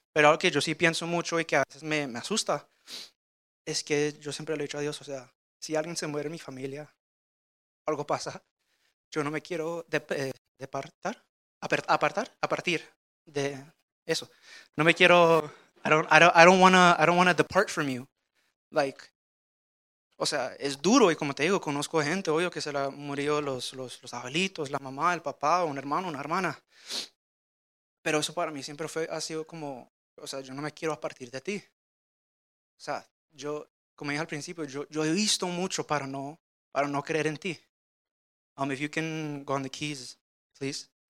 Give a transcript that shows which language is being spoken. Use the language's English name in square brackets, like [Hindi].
[Spanish] Pero algo que yo sí pienso mucho y que a veces me asusta es que yo siempre le he dicho a Dios, o sea, si alguien se muere en mi familia, algo pasa, yo no me quiero partir de eso. [English] No me quiero, I don't wanna depart from you. [Spanish] Like, o sea, es duro y como te digo, conozco gente, obvio, que se le han murido los abuelitos, la mamá, el papá, un hermano, una hermana. Pero eso para mí siempre ha sido como, o sea, yo no me quiero a partir de ti. O sea, yo, como dije al principio, yo he visto mucho para no creer en ti. [English] If you can go on the keys, please.